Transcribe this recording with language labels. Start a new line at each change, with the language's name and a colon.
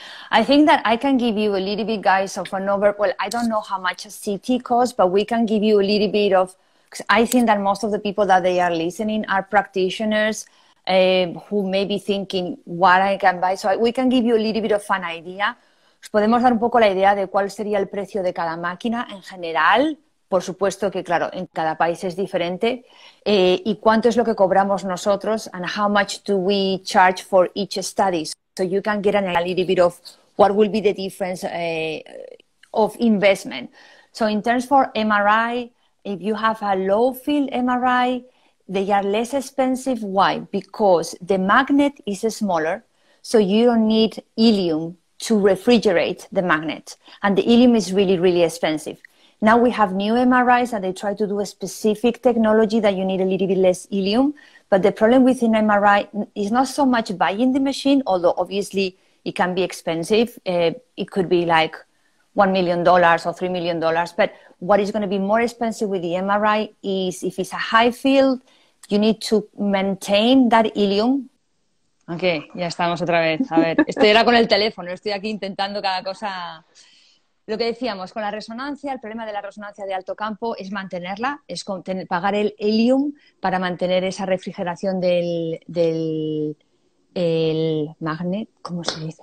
English: I think that I can give you a little bit, guys, of an over. Well, I don't know how much a CT costs, but we can give you a little bit of. Cause I think that most of the people that they are listening are practitioners who may be thinking what I can buy. So we can give you a little bit of an idea.
Spanish: Podemos dar un poco la idea de cuál sería el precio de cada máquina en general. Por supuesto que, claro, en cada país es diferente. ¿Y cuánto es lo que cobramos nosotros?
English: And how much do we charge for each study? So you can get a little bit of what will be the difference of investment. So in terms for MRI, if you have a low field MRI, they are less expensive. Why? Because the magnet is smaller, so you don't need helium to refrigerate the magnet, and the helium is really, really expensive. Now we have new MRIs and they try to do a specific technology that you need a little bit less helium. But the problem with an MRI is not so much buying the machine, although obviously it can be expensive. It could be like $1 million or $3 million. But what is going to be more expensive with the MRI is if it's a high field, you need to maintain that ileum.
Spanish: Ok, ya estamos otra vez. A ver, estoy ahora con el teléfono, estoy aquí intentando cada cosa. Lo que decíamos, con la resonancia, el problema de la resonancia de alto campo es mantenerla, es pagar el ileum para mantener esa refrigeración del magnet, ¿cómo se dice?